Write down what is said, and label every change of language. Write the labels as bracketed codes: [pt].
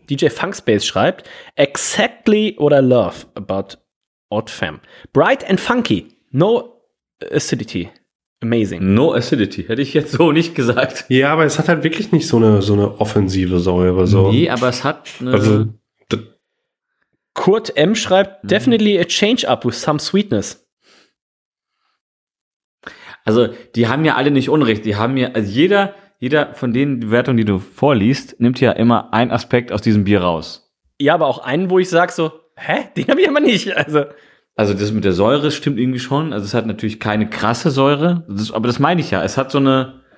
[en] DJ Funk Space [de] schreibt, [en] exactly what I love about Odd Fam. Bright and funky. No acidity. Amazing. No acidity, [de] hätte ich jetzt so nicht gesagt. Ja, aber es hat halt wirklich nicht so eine offensive Säure. So. Nee, aber es hat eine. Also, Kurt M. schreibt, [en] definitely a change up with some sweetness. [de] Also, die haben ja alle nicht Unrecht. Die haben ja, also jeder von denen, die Wertung, die du vorliest, nimmt ja immer einen Aspekt aus diesem Bier raus. Ja, aber auch einen, wo ich sage so, hä, den habe ich aber nicht. Also das mit der Säure stimmt irgendwie schon. Also es hat natürlich keine krasse Säure. Aber das meine ich ja. Es hat so eine.